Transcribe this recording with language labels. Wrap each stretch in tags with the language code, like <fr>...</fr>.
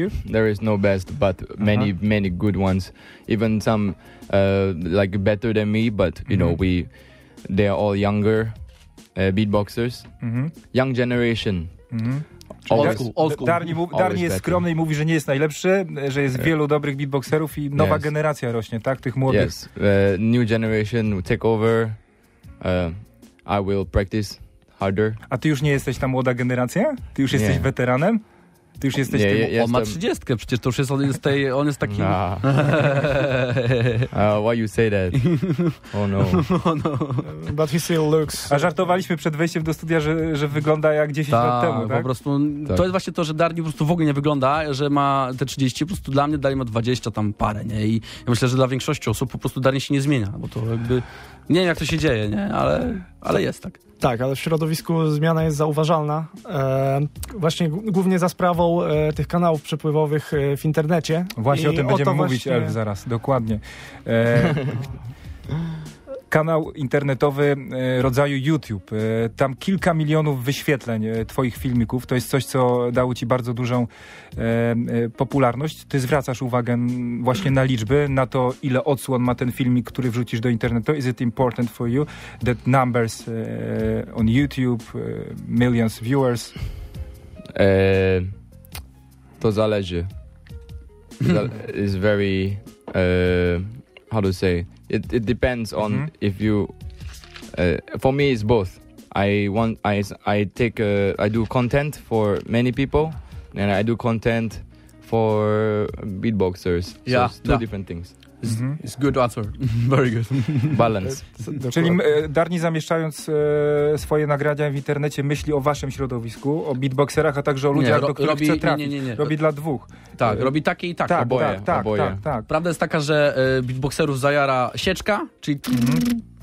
<en>There is no best, but many, uh-huh. many good ones. Even some like better than me, but you mm-hmm. know, they are all younger beatboxers. Mm-hmm. Young generation. Mm-hmm. Old school.</en> <pl>Darni jest skromny i mówi, że nie jest najlepszy, że jest wielu dobrych beatboxerów i nowa generacja rośnie, tak? Tych młodych.</pl> <en>Yes, new generation will take over. I will practice harder.</en> <pl>A ty już nie jesteś ta młoda generacja? Ty już jesteś weteranem? Ty już jesteś on ma 30, przecież to już jest, on jest taki.</pl> <en>Why you say that? Oh no. But he still looks.</en> <pl>A żartowaliśmy przed wejściem do studia, że wygląda jak 10 lat temu. Tak, po prostu. Tak. To jest właśnie to, że Darni po prostu w ogóle nie wygląda, że ma te 30. Po prostu dla mnie Darni ma 20 tam parę, nie? I ja myślę, że dla większości osób po prostu Darni się nie zmienia, bo to jakby. Nie wiem, jak to się dzieje, nie? Ale jest tak. Tak, ale w środowisku zmiana jest zauważalna. Właśnie głównie za sprawą tych kanałów przepływowych w internecie. Właśnie o tym będziemy mówić, Elf, zaraz. Dokładnie. Kanał internetowy rodzaju YouTube. Tam kilka milionów wyświetleń twoich filmików. To jest coś, co dało ci bardzo dużą popularność. Ty zwracasz uwagę właśnie na liczby, na to, ile odsłon ma ten filmik, który wrzucisz do internetu.</pl> <en>Is it important for you that numbers on YouTube, millions viewers?</en> <pl>To zależy.</pl> <en>It's very... how to say... It depends on mm-hmm. if you. For me, it's both. I do content for many people, and I do content for beatboxers. Yeah, so it's two different things. It's good answer. Very good. Balance.</en> <pl>Czyli Darni, zamieszczając swoje nagrania w internecie, myśli o waszym środowisku, o beatboxerach, a także o ludziach, do których chce trafić. Nie. Robi dla dwóch. Tak, robi takie i takie. Tak, oboje. Tak. Prawda jest taka, że beatboxerów zajara sieczka, czyli... Mm-hmm.</pl>